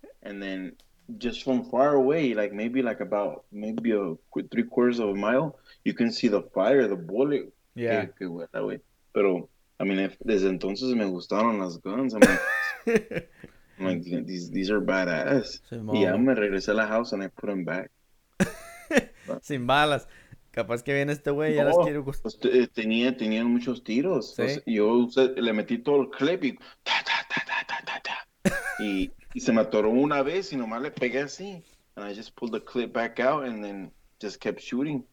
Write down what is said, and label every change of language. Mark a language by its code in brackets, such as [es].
[en] And then, just from far away, like maybe like about, maybe a three quarters of a mile, you can see the fire, the bullet. Yeah. [es] Que huela, güey. Pero, [en] I mean, [es] desde entonces me gustaron las guns. [en] I'm like, I'm like, these are badass. [es] Sí, y ya me regresé a la house [en] and I put them back. But... [es] Sin balas. Capaz que viene este güey y no, ya las quiero. Pues, tenían muchos tiros. ¿Sí? Pues, yo le metí todo el clip y... Ta, ta, ta, ta, ta, ta, ta. Y se me atoró una vez y nomás le pegué así. [en] And I just pulled the clip back out and then just kept shooting.